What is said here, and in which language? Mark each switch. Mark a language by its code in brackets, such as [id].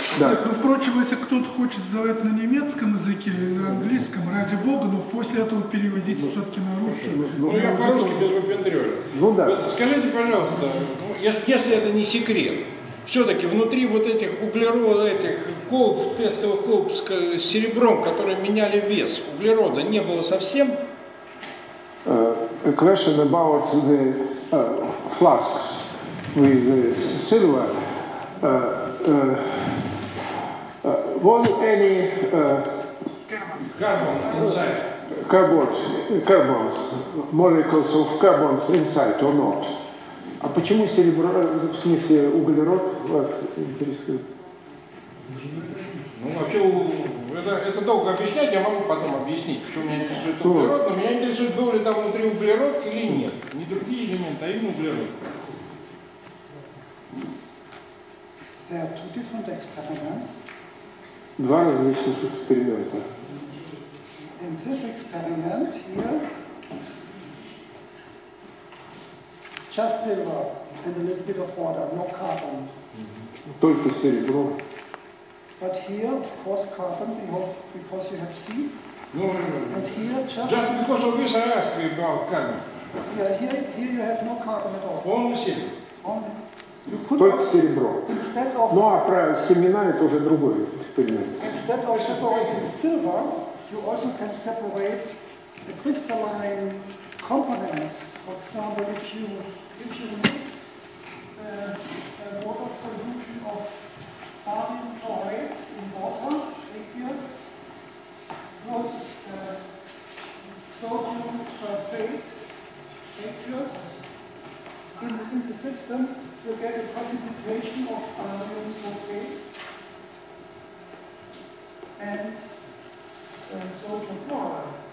[ru] Да. Нет, ну, впрочем, если кто-то хочет задавать на немецком языке или на английском, ради бога, но после этого переводите все-таки на русский. Ну, я по-русски без выпендрёжа. Ну, да. Скажите, пожалуйста, если это не секрет, все-таки внутри вот этих углерод, этих колб, тестовых колб с серебром, которые меняли вес, углерода не было совсем? [en] A question about the flasks with the silver. Was any carbon inside? Carbons, molecules of carbons inside or not? [ru] А почему серебро, в смысле углерод, вас интересует? Ну, вообще, это долго объяснять, я могу потом объяснить, почему меня интересует углерод, но меня интересует, был ли там внутри углерод или нет. Не другие элементы, а именно углерод. [en] There are two different experiments. [ru] Два различных эксперимента. [en] In this experiment here, just silver and a little bit of water, no carbon. [ru] Только серебро. [en] But here, of course, carbon, because you have seeds. No. And here, just because of this, I asked you about carbon. Yeah, here you have no carbon at all. Only silver. You could [ru] только серебро. [en] Instead of. [ru] Ну а про семена это уже другой эксперимент. [en] Instead of separating silver, you also can separate the crystalline components. For example, if you mix a water solution of barium chloride in water, aqueous, plus sodium sulfate, aqueous, in the system, you get a precipitation of barium sulfate and sodium chloride.